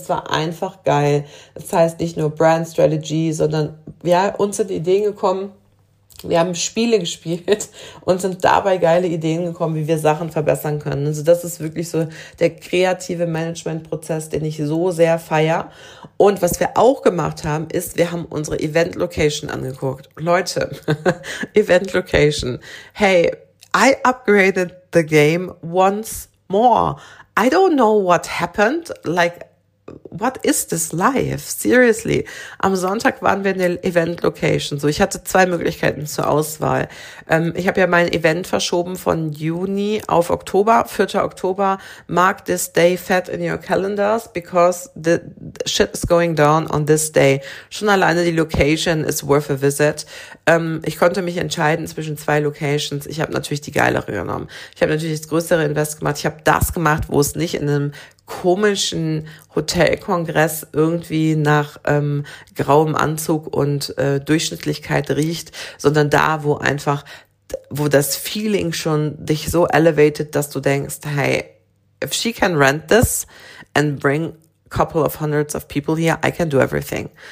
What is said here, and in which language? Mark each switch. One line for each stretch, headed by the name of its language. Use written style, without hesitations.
German: Das war einfach geil. Das heißt, nicht nur Brand Strategy, sondern ja, uns sind Ideen gekommen, wir haben Spiele gespielt und sind dabei geile Ideen gekommen, wie wir Sachen verbessern können. Also das ist wirklich so der kreative Managementprozess, den ich so sehr feiere. Und was wir auch gemacht haben, ist, wir haben unsere Event Location angeguckt. Leute, Event Location.
English: Hey, I upgraded the game once more. I don't know what happened, like, what is this life? Seriously.
German: Am Sonntag waren wir in der Event-Location. So, ich hatte zwei Möglichkeiten zur Auswahl. Ich habe ja mein Event verschoben von Juni auf Oktober, 4. Oktober.
English: Mark this day fat in your calendars because the shit is going down on this day.
German: Schon alleine die Location
English: is worth a visit.
German: Ich konnte mich entscheiden zwischen zwei Locations. Ich habe natürlich die geilere genommen. Ich habe natürlich das größere Invest gemacht. Ich habe das gemacht, wo es nicht in einem komischen Hotelkongress irgendwie nach grauem Anzug und Durchschnittlichkeit riecht, sondern da, wo einfach, wo das Feeling schon dich so elevated, dass du denkst, hey,
English: if she can rent this and bring couple of hundreds of people here, I can do everything.